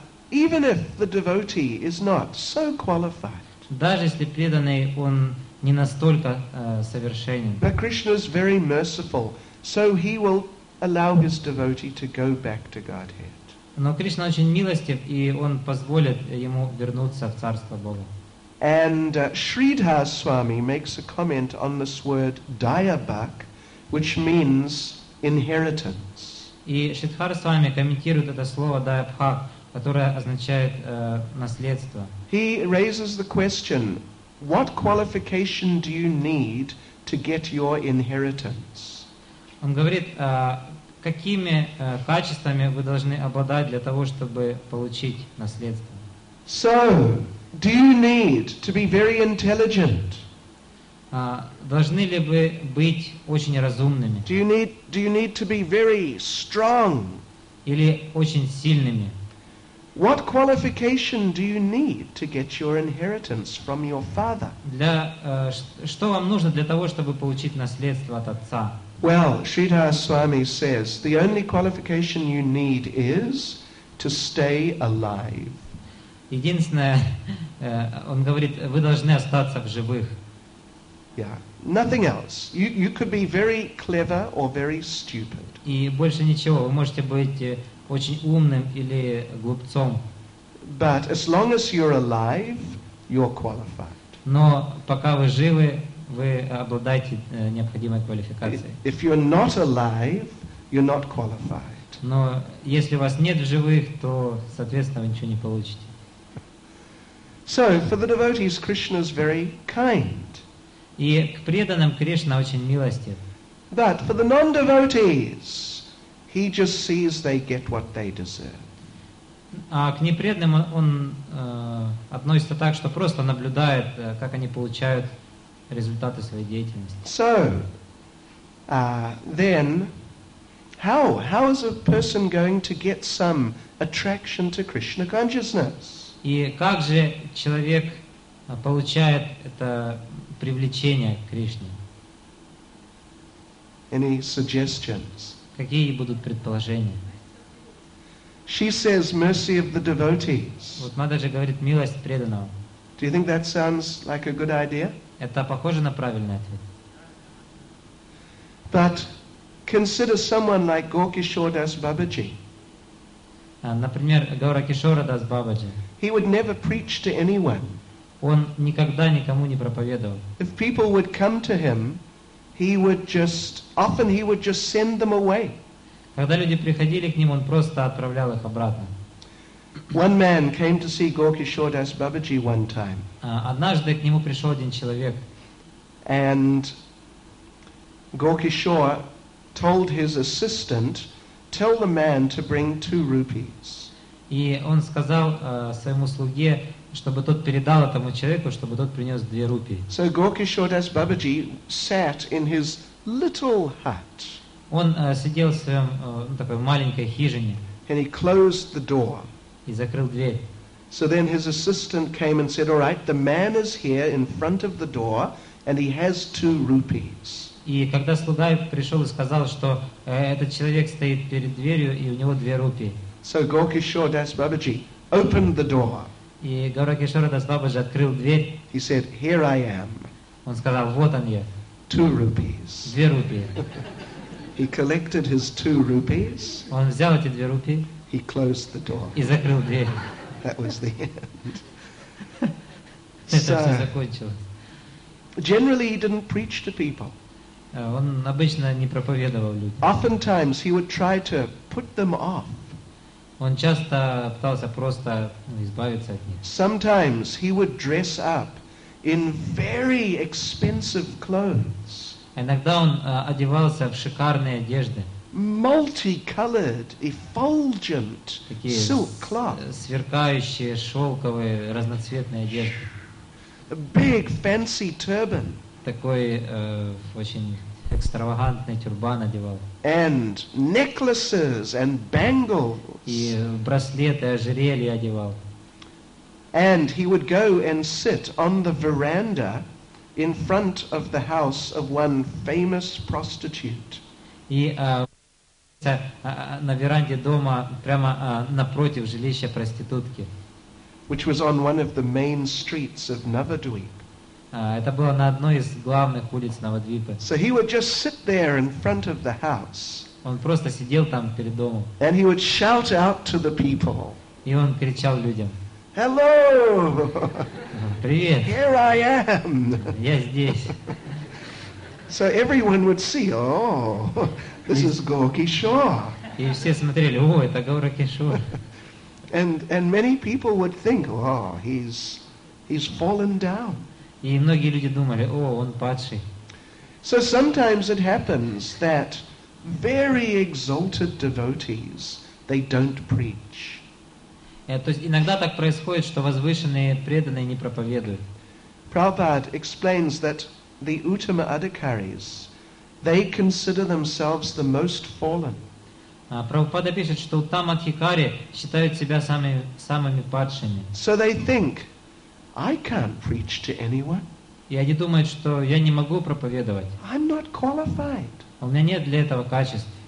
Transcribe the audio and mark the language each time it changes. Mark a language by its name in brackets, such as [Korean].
[English] Even if the devotee is not so qualified. [Russian] Даже если преданный он не настолько совершенен. [English] But Krishna is very merciful. So he will allow his devotee to go back to Godhead. [Russian] Но Кришна очень милостив, и он позволит ему вернуться в царство Бога. [English] And Sridhar Swami makes a comment on this word dayabak, which means inheritance. [Russian] И Шридхар Свами комментирует это слово dayabak, которое означает наследство. [English] He raises the question, what qualification do you need to get your inheritance? [Russian] Он говорит, какими качествами вы должны обладать для того, чтобы получить наследство. [English] So, do you need to be very intelligent? [Russian] Должны ли вы быть очень разумными? [English] Do you need to be very strong? [Russian] Или очень сильными? [English] What qualification do you need to get your inheritance from your father? [Russian] Для что вам нужно для того, чтобы получить наследство от отца? [English] Well, Sridhar Swami says, the only qualification you need is to stay alive. [Russian] Единственное, он говорит, вы должны остаться в живых. [English] Yeah, nothing else. You could be very clever or very stupid. [Russian] И больше ничего, вы можете быть очень умным или глупцом. [English] But as long as you're alive, you're qualified. [Russian] Но пока вы живы, вы обладаете необходимой квалификацией. [English] If you're not alive, you're not qualified. [Russian] Но если вас нет в живых, то, соответственно, вы ничего не получите. [English] So, for the devotees, Krishna is very kind. [Russian] И к преданным Кришна очень милостив. [English] But for the non-devotees, he just sees they get what they deserve. [Russian] А к непреданным он относится так, что просто наблюдает, как они получают результаты своей деятельности. [English] So, then, how is a person going to get some attraction to Krishna consciousness? [Russian] И как же человек получает это привлечение к Кришне? [English] Any suggestions? [Russian] Какие будут предположения? [English] She says, "Mercy of the devotees." [Russian] Вот Мадхаджи говорит, милость преданного. [English] Do you think that sounds like a good idea? [Russian] Это похоже на правильный ответ. [English] But consider someone like Gaurakishore Das Babaji. [Russian] Например, Гаура-Кишора Дас Бабаджи. [English] He would never preach to anyone. [Russian] Он никогда никому не проповедовал. [English] If people would come to him, he would just send them away. [Russian] Когда люди приходили к ним, он просто отправлял их обратно. [English] One man came to see Gaurakishore Das Babaji one time. [Russian] Однажды к нему пришел один человек. [English] And Gaurakishore told his assistant, "Tell the man to bring 2 rupees." [Russian] И он сказал своему слуге, чтобы тот передал этому человеку, чтобы тот принес 2 рупии. [English] So Gaurakishore Das Babaji sat in his little hut. [Russian] Он сидел в своем такой маленькой хижине. [English] And he closed the door. [Russian] И закрыл дверь. [English] So then his assistant came and said, "All right, the man is here in front of the door, and he has 2 rupees." [Russian] И когда слуга пришел и сказал, что этот человек стоит перед дверью и у него 2 рупии. [English] So Gaurakishore Das Babaji opened the door. [Russian] И Гаура-Кишора Дас Бабаджи открыл дверь. [English] He said, "Here I am." [Russian] Он сказал, вот он я. [English] 2 rupees. [Russian] 2 рупии. [English] He collected his 2 rupees. [Russian] Он взял эти 2 рупии. [English] He closed the door. [Russian] И закрыл дверь. [English] That was the end. [Russian] Это все закончилось. [English] Generally, he didn't preach to people. [Russian] Он обычно не проповедовал людям. [English] Oftentimes, he would try to put them off. [Russian] Он часто пытался просто избавиться от них. [English] Sometimes he would dress up in very expensive clothes. [Russian] Иногда он одевался в шикарные одежды. [English] Multicolored, effulgent silk cloth. [Russian] Сверкающие шелковые разноцветные одежды. [English] A big fancy turban. [Russian] Такой очень экстравагантный тюрбан одевал. [English] And necklaces and bangles. [Russian] И браслеты, ожерелья одевал. [English] And he would go and sit on the veranda in front of the house of one famous prostitute. [Russian] И на веранде дома прямо напротив жилища проститутки. [English] Which was on one of the main streets of Navadvip. [Russian] Это было на одной из главных улиц Навадвипы. [English] So he would just sit there in front of the house. [Russian] Он просто сидел там перед домом. [English] And he would shout out to the people. [Russian] И он кричал людям. [English] Hello. [Russian] Привет. [English] Here I am. [Russian] Я здесь. [English] So everyone would see. Oh, this is Gorky Shore. [Russian] И все смотрели. О, это Горки Шор. [English] And many people would think, oh, he's fallen down. [Russian] И многие люди думали, о, он падший. [English] So sometimes it happens that very exalted devotees, they don't preach. [Russian] То есть иногда так происходит, что возвышенные преданные не проповедуют. [English] Prabhupada explains that the Uttama Adhikaris, they consider themselves the most fallen. [Russian] Прабхупада пишет, что там адхикари считают себя самыми падшими. [English] So they think, I can't preach to anyone. [Russian] И они думают, что я не могу проповедовать. [English] I'm not qualified. [Russian] У меня нет для этого качеств.